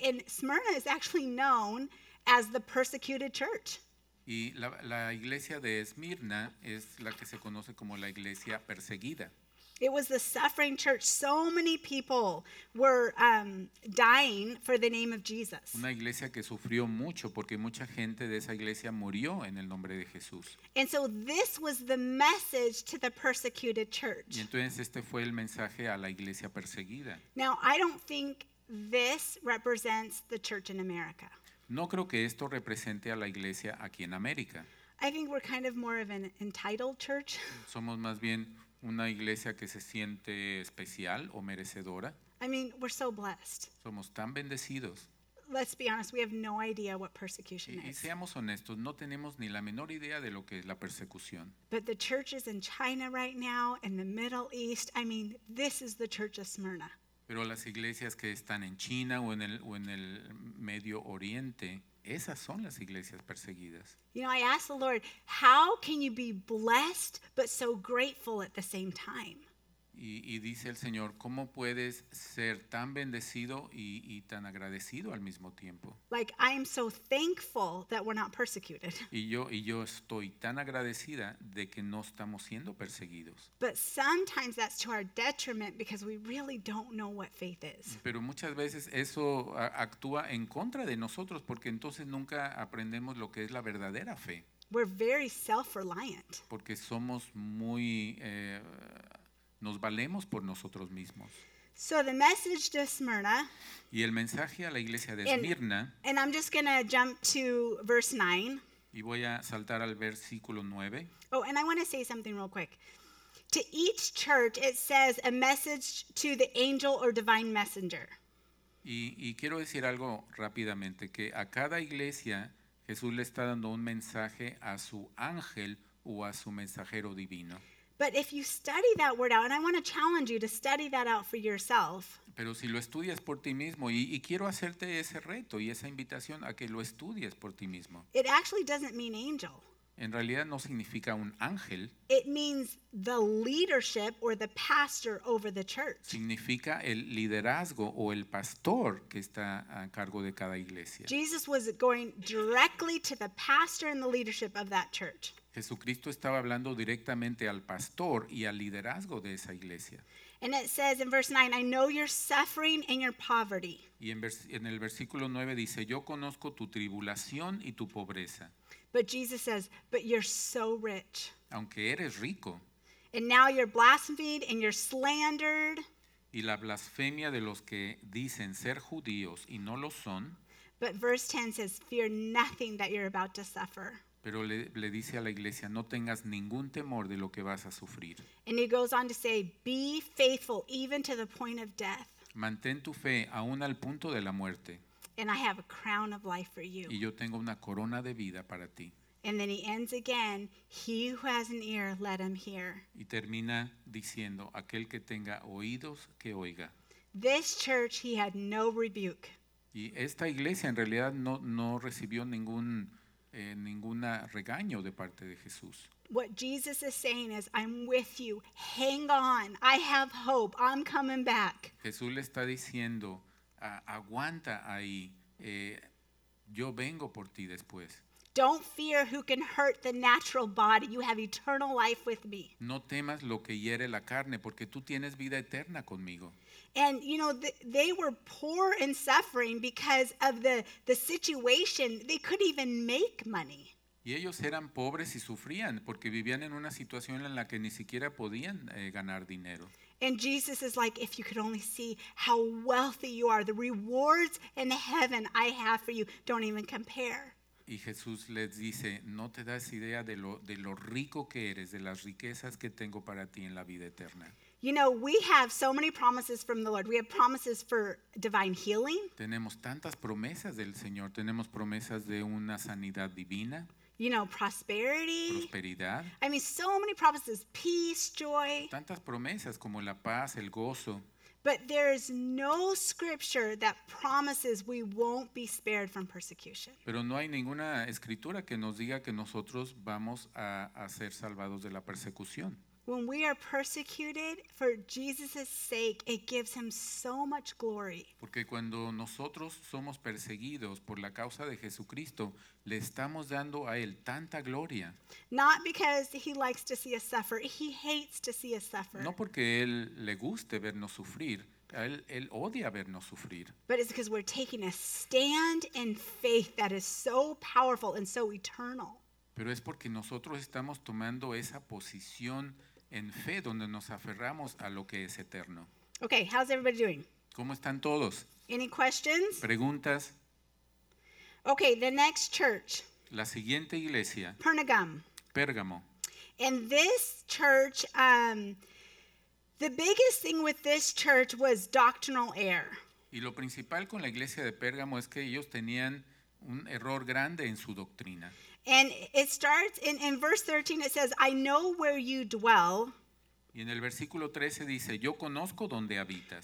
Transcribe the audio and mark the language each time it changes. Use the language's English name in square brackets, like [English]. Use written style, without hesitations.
[English] And Smyrna is actually known as the persecuted church. [Spanish] Y la iglesia de Esmirna es la que se conoce como la iglesia perseguida. [English] It was the suffering church. So many people were dying for the name of Jesus. [Spanish] Una iglesia que sufrió mucho porque mucha gente de esa iglesia murió en el nombre de Jesús. [English] And so this was the message to the persecuted church. [Spanish] Y entonces este fue el mensaje a la iglesia perseguida. [English] Now, I don't think this represents the church in America. [Spanish] No creo que esto represente a la iglesia aquí en América. [English] I think we're kind of more of an entitled church. [Spanish] Somos más bien una iglesia que se siente especial o merecedora. [English] I mean, we're so blessed. [Spanish] Somos tan bendecidos. [English] Let's be honest, we have no idea what persecution [Spanish] y seamos honestos, no tenemos ni la menor idea de lo que es la persecución. [English] But the churches in China right now, in the Middle East, I mean, this is the church of Smyrna. [Spanish] Pero las iglesias que están en China o en el Medio Oriente, esas son las iglesias perseguidas. [English] You know, I asked the Lord, how can you be blessed but so grateful at the same time? [Spanish] Y dice el Señor, ¿cómo puedes ser tan bendecido y tan agradecido al mismo tiempo? [English] Like, I am so thankful that we're not persecuted. [Spanish] Y yo estoy tan agradecida de que no estamos siendo perseguidos. [English] But sometimes that's to our detriment because we really don't know what faith is. [Spanish] Pero muchas veces eso actúa en contra de nosotros porque entonces nunca aprendemos lo que es la verdadera fe. [English] We're very self-reliant. [Spanish] Porque somos muy... nos valemos por nosotros mismos. [English] So the message to Smyrna, [Spanish] y el mensaje a la iglesia de Esmirna. [English] And I'm just going to jump to verse 9. [Spanish] Y voy a saltar al versículo 9. [English] Oh, and I want to say something real quick. To each church it says a message to the angel or divine messenger. [Spanish] Y quiero decir algo rápidamente, que a cada iglesia Jesús le está dando un mensaje a su ángel o a su mensajero divino. [English] But if you study that word out, and I want to challenge you to study that out for yourself. [Spanish] Pero si lo estudias por ti mismo, y quiero hacerte ese reto y esa invitación a que lo estudies por ti mismo. [English] It actually doesn't mean angel. [Spanish] En realidad no significa un ángel. [English] It means the leadership or the pastor over the church. [Spanish] Significa el liderazgo o el pastor que está a cargo de cada iglesia. [English] Jesus was going directly to the pastor and the leadership of that church. [Spanish] Jesucristo estaba hablando directamente al pastor y al liderazgo de esa iglesia. [English] And it says in verse 9, I know your suffering and your poverty. [Spanish] Y en el versículo 9 dice, yo conozco tu tribulación y tu pobreza. [English] But Jesus says, but you're so rich. [Spanish] Aunque eres rico. [English] And now you're blasphemed and you're slandered. [Spanish] Y la blasfemia de los que dicen ser judíos y no lo son. [English] But verse 10 says, fear nothing that you're about to suffer. [Spanish] Pero le dice a la iglesia, no tengas ningún temor de lo que vas a sufrir. [English] And he goes on to say, be faithful even to the point of death. [Spanish] Mantén tu fe aún al punto de la muerte. [English] And I have a crown of life for you. [Spanish] Y yo tengo una corona de vida para ti. [English] And then he ends again, he who has an ear, let him hear. [Spanish] Y termina diciendo, aquel que tenga oídos, que oiga. [English] This church, he had no rebuke. [Spanish] Y esta iglesia en realidad no recibió ninguna regaño de parte de Jesús. [English] What Jesus is saying is, I'm with you, hang on, I have hope, I'm coming back. [Spanish] Jesús le está diciendo, aguanta ahí, yo vengo por ti después. [English] Don't fear who can hurt the natural body. You have eternal life with me. [Spanish] No temas lo que hiere la carne, porque tú tienes vida eterna conmigo. [English] And you know they were poor and suffering because of the situation. They couldn't even make money. [Spanish] Y ellos eran pobres y sufrían porque vivían en una situación en la que ni siquiera podían ganar dinero. [English] And Jesus is like, if you could only see how wealthy you are, the rewards in heaven I have for you don't even compare. [Spanish] Y Jesús les dice, no te das idea de lo rico que eres, de las riquezas que tengo para ti en la vida eterna. [English] You know, we have so many promises from the Lord. We have promises for divine healing. [Spanish] Tenemos tantas promesas del Señor. Tenemos promesas de una sanidad divina. [English] You know, prosperity. [Spanish] Prosperidad. [English] I mean, so many promises, peace, joy. [Spanish] Tantas promesas como la paz, el gozo. [English] But there is no scripture that promises we won't be spared from persecution. [Spanish] Pero no hay ninguna escritura que nos diga que nosotros vamos a ser salvados de la persecución. [English] When we are persecuted for Jesus' sake, it gives him so much glory. [Spanish] Porque cuando nosotros somos perseguidos por la causa de Jesucristo, le estamos dando a él tanta gloria. [English] Not because he likes to see us suffer, he hates to see us suffer. [Spanish] No porque él le guste vernos sufrir, él odia vernos sufrir. [English] But it's because we're taking a stand in faith that is so powerful and so eternal. [Spanish] Pero es porque nosotros estamos tomando esa posición en fe donde nos aferramos a lo que es eterno. [English] Okay, how's everybody doing? [Spanish] ¿Cómo están todos? [English] Any questions? [Spanish] ¿Preguntas? [English] Okay, the next church. [Spanish] La siguiente iglesia. [English] Pergamum. [Spanish] Pérgamo. [English] And this church, the biggest thing with this church was doctrinal error. [Spanish] Y lo principal con la iglesia de Pérgamo es que ellos tenían un error grande en su doctrina. [English] And it starts in verse 13, it says, I know where you dwell. [Spanish] Y en el versículo 13 dice, yo conozco donde habitas.